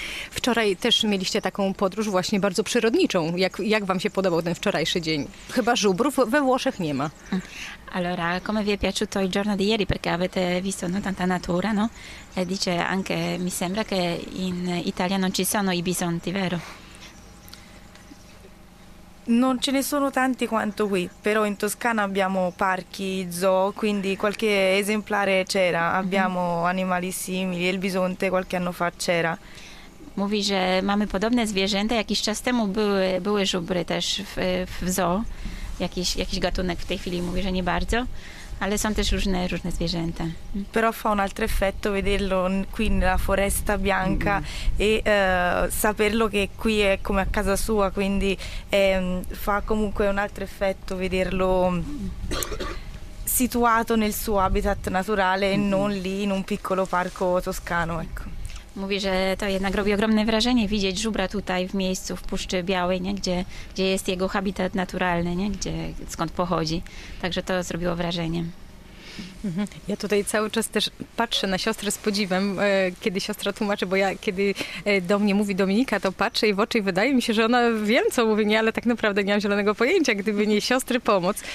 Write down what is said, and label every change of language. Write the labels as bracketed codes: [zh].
[pl] Wczoraj też mieliście taką podróż właśnie bardzo przyrodniczą. Jak wam się podobał ten wczorajszy dzień? Chyba żubrów we Włoszech nie ma. [it] Allora, come vi è piaciuto il giorno di ieri? Perché avete visto, no, tanta natura, no? E dice anche, mi sembra che in Italia non ci sono i bisonti, vero? Non ce ne sono tanti quanto qui, però in Toscana abbiamo parchi, zoo, quindi qualche esemplare c'era. Abbiamo animali simili, il bisonte qualche anno fa c'era. [pl] Mówi, że mamy podobne zwierzęta. Jakiś czas temu były żubry też w zoo. Jakiś gatunek w tej chwili mówi, że nie bardzo, ale są też różne zwierzęta. [it] Però fa un altro effetto vederlo qui nella foresta bianca e saperlo che qui è come a casa sua, quindi fa comunque un altro effetto vederlo situato nel suo habitat naturale e non lì in un piccolo parco toscano, ecco. [pl] Mówi, że to jednak robi ogromne wrażenie widzieć żubra tutaj w miejscu, w Puszczy Białej, nie? Gdzie jest jego habitat naturalny, nie? Skąd pochodzi. Także to zrobiło wrażenie. Ja tutaj cały czas też patrzę na siostrę z podziwem, kiedy siostra tłumaczy, bo ja kiedy do mnie mówi Dominika, to patrzę i w oczy i wydaje mi się, że ona wie, co mówi, nie, ale tak naprawdę nie mam zielonego pojęcia, gdyby nie siostry pomoc.